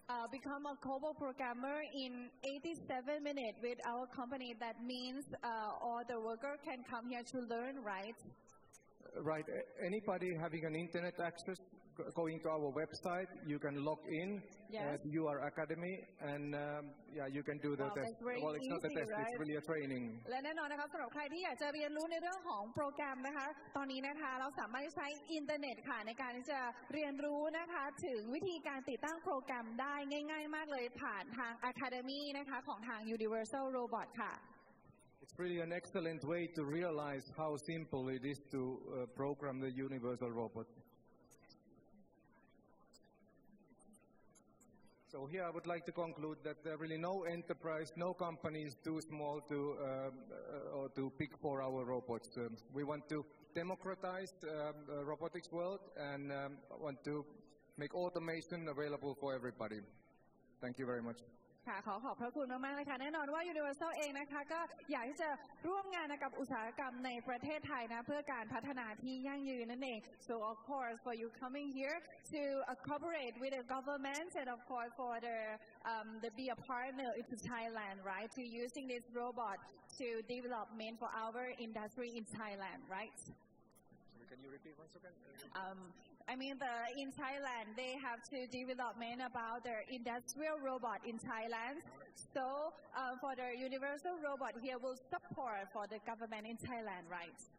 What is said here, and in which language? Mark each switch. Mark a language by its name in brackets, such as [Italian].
[English] Become a COBOL programmer in 87 minutes with our company. That means all the worker can come here to learn, right? Right. Anybody having an internet access, going to our website, you can log in at UR Academy, and you can do the test. Well, it's easy, not the test, right? It's really a training. [Thai] และแน่นอนนะคะสำหรับใครที่อยากจะเรียนรู้ในเรื่องของโปรแกรมนะคะตอนนี้นะคะเราสามารถใช้อินเทอร์เน็ตค่ะในการที่จะเรียนรู้นะคะถึงวิธีการติดตั้งโปรแกรมได้ง่ายๆมากเลยผ่านทาง Academy นะคะของทาง Universal Robot ค่ะ [English] It's really an excellent way to realize how simple it is to program the universal robot. So here I would like to conclude that there really no enterprise, no company is too small to or too big for our robots. We want to democratize the robotics world and want to make automation available for everybody. Thank you very much. [Thai] ค่ะขอขอบพระคุณมากๆเลยค่ะแน่นอนว่า Universal เองนะคะก็อยากที่จะร่วมงานกับอุตสาหกรรมในประเทศไทยนะเพื่อการพัฒนาที่ยั่งยืนนั่นเอง [English] So of course for you coming here to cooperate with the government and of course for the be a partner into Thailand, right? To using this robot to development for our industry in Thailand, right? Can you repeat once again? I mean, in Thailand, they have to develop about their industrial robot in Thailand. So for the universal robot here, we'll support for the government in Thailand, right?